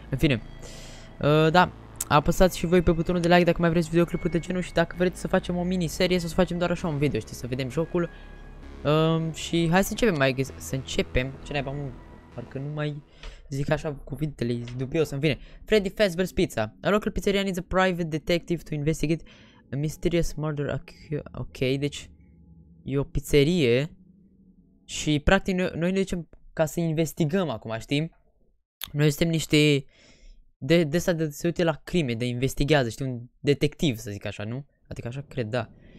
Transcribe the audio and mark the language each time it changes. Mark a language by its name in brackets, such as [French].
[Romanian] În fine, da, apăsați și voi pe butonul de like dacă mai vreți videoclipuri de genul și dacă vreți să facem o miniserie sau să facem doar așa un video, știi, să vedem jocul. Și hai să începem, ce naiba, parcă nu mai zic așa cuvintele, e dubios. În fine, Freddy Fazbear's Pizza. [English] A local pizzeria needs a private detective to investigate a mysterious murder. [Romanian] Ok, deci e o pizzerie și practic noi ne ducem ca să investigăm acum, știi? Noi suntem niște se uite la crime, de investigează, știi, un detectiv, să zic așa, nu? Adică așa cred, da.